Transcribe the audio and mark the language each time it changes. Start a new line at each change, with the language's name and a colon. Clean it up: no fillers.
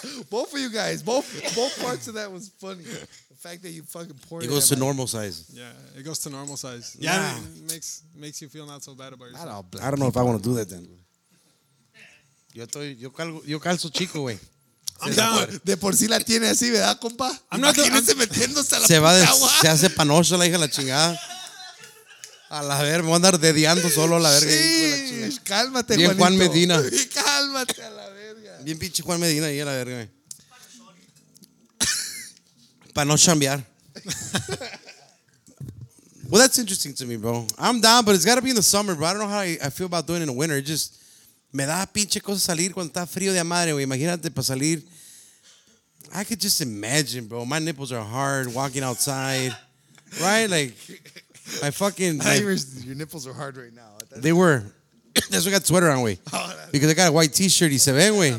English: Both of you guys, both parts of that was funny. The fact that you fucking poured it goes to normal size. Yeah, it goes to normal size. Yeah, yeah. It makes you feel not so bad about yourself. I don't know if I want to do that then.
Spanish: Yo calzo chico, güey. De por sí la tiene así, ¿verdad, compa? Imagínese metiéndose a la puta agua. Se hace panocho la hija la chingada. A la verga, voy a andar dediando solo a la verga. Sí, cálmate, Juanito. Bien Juan Medina. Cálmate a la verga. Bien pinche Juan Medina ahí a la verga, güey. Para no chambear.
English: Well, that's interesting to me, bro. I'm down, but it's got to be in the summer, bro. I don't know how I feel about doing it in the winter. It just...
Spanish: Me da pinche cosa salir cuando está frío de la madre, güey. Imagínate para salir.
English: I could just imagine, bro. My nipples are hard walking outside. Right? Like, my fucking... Your nipples are hard right now. They were. That's why I got sweater on, güey. Because I got a white t-shirt
Spanish: y se ven, güey.